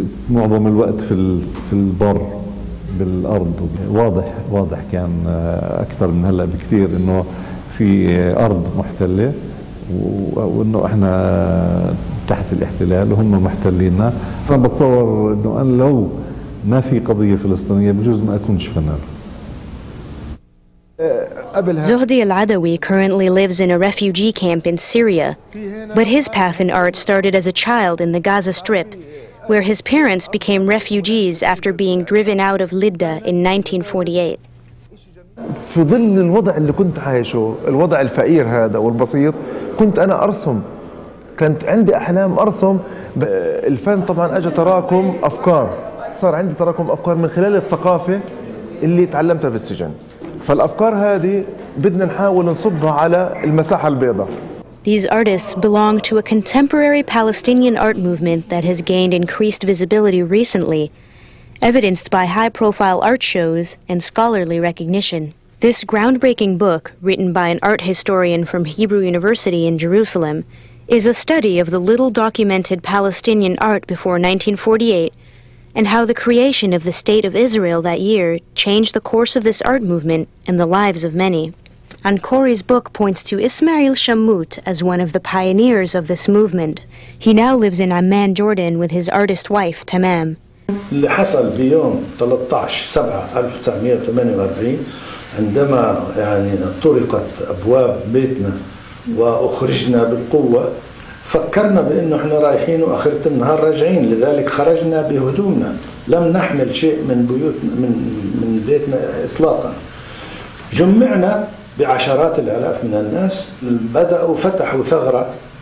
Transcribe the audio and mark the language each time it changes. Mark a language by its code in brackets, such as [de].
[ar] معظم الوقت في البر بالأرض واضح كان أكثر من هلأ بكثير إنه في أرض محتلة وإنه إحنا تحت الاحتلال وهم محتليننا فأنا بتصور إنه أنا لو ما في قضية فلسطينية بجوز ما أكونش فنان. [en] Zuhdi Al-Adawi currently lives in a refugee camp in Syria, but his path in art started as a child in the Gaza Strip, where his parents became refugees after being driven out of Lidda in 1948. [ar] في ظل الوضع اللي كنت عايشه، الوضع الفقير هذا والبسيط، كنت أنا أرسم. كنت عندي أحلام أرسم. الفن طبعاً أجى تراكم أفكار. صار عندي تراكم أفكار من خلال الثقافة اللي تعلمتها في السجن. فالأفكار هذه بدنا نحاول نصبها على المساحة البيضاء. [en] These artists belong to a contemporary Palestinian art movement that has gained increased visibility recently, evidenced by high-profile art shows and scholarly recognition. This groundbreaking book, written by an art historian from Hebrew University in Jerusalem, is a study of the little documented Palestinian art before 1948, and how the creation of the State of Israel that year changed the course of this art movement and the lives of many. Ankori's book points to Ismail Shamut as one of the pioneers of this movement. He now lives in Amman, Jordan with his artist wife, Tamam. [ar] اللي حصل بيوم 13/7/1948 عندما يعني طرقت أبواب بيتنا وأخرجنا بالقوة فكرنا بأنه إحنا رايحين وأخرة النهار راجعين لذلك خرجنا بهدومنا لم نحمل شيء من بيوتنا من بيتنا إطلاقا جمعنا بعشرات الآلاف من الناس بدأوا فتحوا ثغرة